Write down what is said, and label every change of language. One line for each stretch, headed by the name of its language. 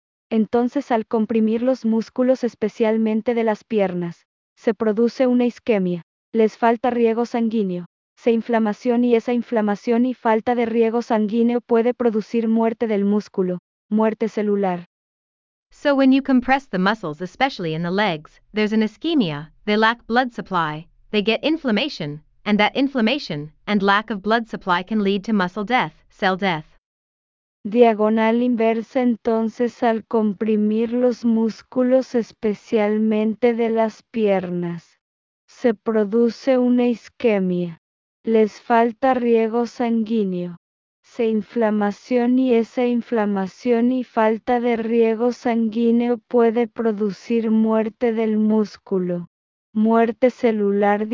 Spanish: Entonces, al comprimir los músculos, especialmente de las piernas, se produce una isquemia, les falta riego sanguíneo, se inflamación y esa inflamación y falta de riego sanguíneo puede producir muerte del músculo, muerte celular.
English: So when you compress the muscles, especially in the legs, there's an ischemia, they lack blood supply, they get inflammation, and that inflammation and lack of blood supply can lead to muscle death, cell death.
Spanish: Diagonal inversa, entonces al comprimir los músculos, especialmente de las piernas, se produce una isquemia, les falta riego sanguíneo, se inflamación y esa inflamación y falta de riego sanguíneo puede producir muerte del músculo, muerte celular.